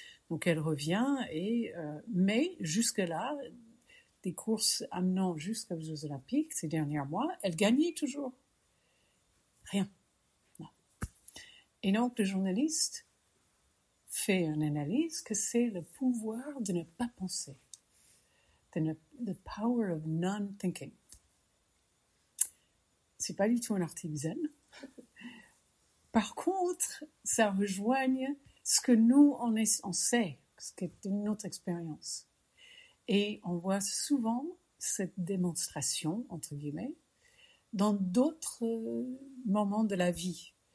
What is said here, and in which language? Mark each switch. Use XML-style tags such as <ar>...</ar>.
<fr>Donc elle revient, mais jusque-là, des courses amenant jusqu'aux Jeux Olympiques, ces derniers mois, elle gagnait toujours. Rien. Et donc le journaliste fait une analyse que c'est le pouvoir de ne pas penser.</fr> <en>The power of non-thinking.</en> <fr>Ce n'est pas du tout un article zen. Par contre, ça rejoigne ce que nous, on sait, ce qui est notre expérience. Et on voit souvent cette démonstration, entre guillemets, dans d'autres moments de la vie.</fr>